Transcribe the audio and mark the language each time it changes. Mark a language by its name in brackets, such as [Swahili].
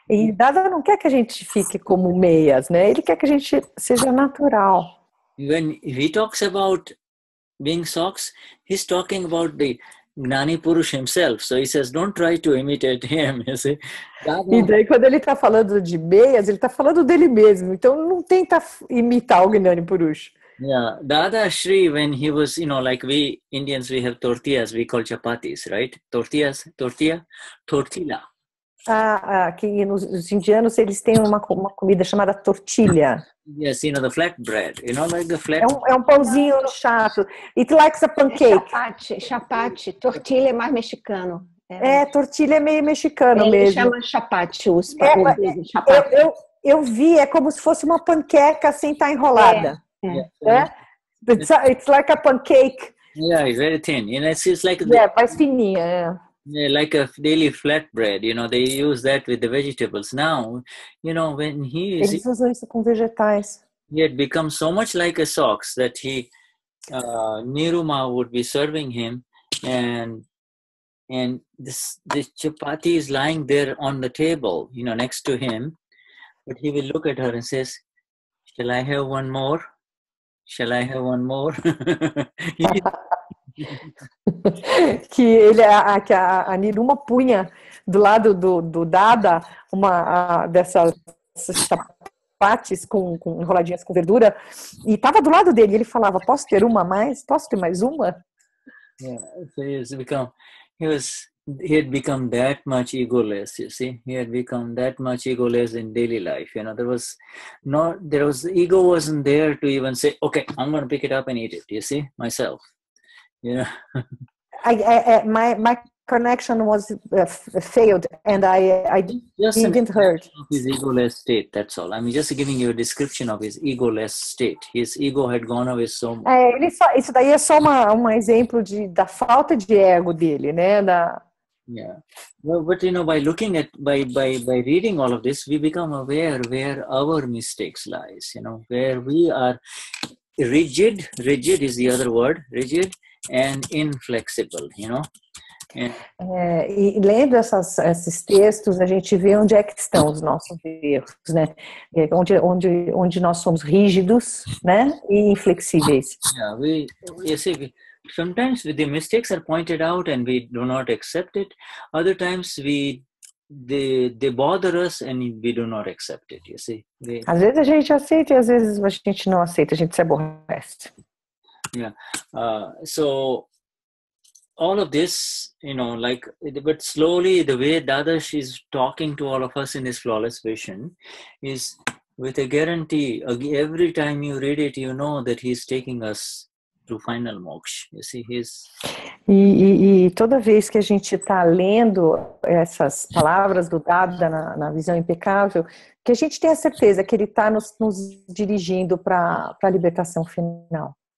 [Portuguese] E Dada não quer que a gente fique como meias, né? Ele quer que a gente seja natural. [English] When he talks about being socks, he's talking about the Gnani Purush himself. So he says, don't try to imitate him. You see. Dada... [Portuguese] E daí quando ele está falando de meias, ele está falando dele mesmo. Então não tenta imitar o Gnani Purush. [English] Yeah, Dadashri, when he was, you know, like we Indians, we have tortillas, we call chapatis, right? Tortillas, tortilla, tortilla. [Portuguese] Que nos indianos eles têm uma comida chamada tortilha. [English] Yes, you know, the flatbread. You know, like the flat. [Portuguese] É um pãozinho chato. [English] It likes a pancake. [Portuguese] Chapati, tortilha é mais mexicano. Tortilha é meio mexicano mesmo. Ele chama chapati, os chapati. Eu vi, é como se fosse uma panqueca sem estar enrolada. [English] It's like a pancake. Yeah, it's very thin. You know, it's like [Portuguese] mais fininha. [English] Yeah, like a daily flatbread, you know, they use that with the vegetables. Now, you know, when he is... [Portuguese] Eles usam isso com vegetais. [English] He had become so much like a socks that he, Niruma would be serving him, and this chapati is lying there on the table, you know, next to him. But he will look at her and says, shall I have one more? Shall I have one more? [Portuguese] Que ele que a Niruma punha do lado do Dada uma dessas chapates com enroladinhas com verdura e estava do lado dele, ele falava, posso ter uma mais? Posso ter mais uma? [English] Yeah, so he had become that much egoless, you see? He had become that much egoless in daily life, you know? There was ego wasn't there to even say, okay, I'm going to pick it up and eat it, you see? Myself. Yeah. My connection was failed and I didn't hear his egoless state, that's all. I'm just giving you a description of his egoless state. His ego had gone away so much. [Portuguese] Isso daí é só um exemplo da falta de ego dele, né? [English] But you know, by looking at by reading all of this, we become aware where our mistakes lies, you know, where we are rigid is the other word, rigid. And inflexible, you know? [Portuguese] E lendo esses textos, a gente vê onde é que estão os nossos erros, né? Onde nós somos rígidos, né? E inflexíveis. [English] Yeah, sometimes the mistakes are pointed out and we do not accept it. Other times they bother us and we do not accept it, you see? [Portuguese] Às vezes a gente aceita e às vezes a gente não aceita, a gente se aborrece. [English] Yeah, so all of this, you know, like, but slowly the way Dadash is talking to all of us in his flawless vision is with a guarantee, every time you read it, you know that he's taking us to final moksha, you see, he's... [Portuguese] E toda vez que a gente está lendo essas palavras do Dada na visão impecável, que a gente tem a certeza que ele está nos dirigindo para a libertação final.